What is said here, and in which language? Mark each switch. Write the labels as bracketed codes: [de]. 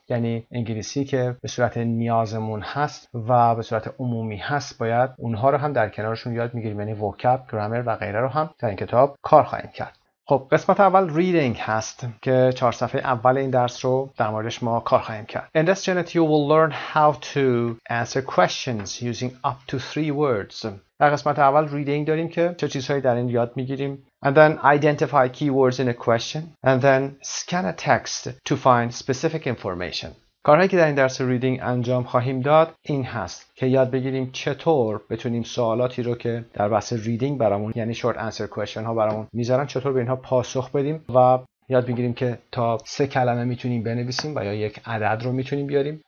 [fa] یعنی انگلیسی که به صورت نیازمون هست و به صورت عمومی هست، باید اونها رو هم در کنارشون یاد میگیریم، یعنی وکب، گرامر و غیره رو هم در این کتاب کار خواهیم کرد. خب قسمت اول reading هست که 4 صفحه اول این درس رو در موردش ما کار خواهیم کرد. [en] In this unit you will learn how to answer questions using up to 3 words. [fa] در قسمت اول reading داریم که چه چیزهایی در این یاد میگیریم. [en] And then identify keywords in a question. And then scan a text to find specific information. [fa] کارهایی که در این درس ریدینگ انجام خواهیم داد این هست که یاد بگیریم چطور بتونیم سوالاتی رو که در بحث ریدینگ برامون، یعنی شورت انسر کوشن ها برامون میذارن، چطور به اینها پاسخ بدیم و یاد بگیریم که تا 3 کلمه میتونیم بنویسیم و یا یک عدد رو میتونیم بیاریم.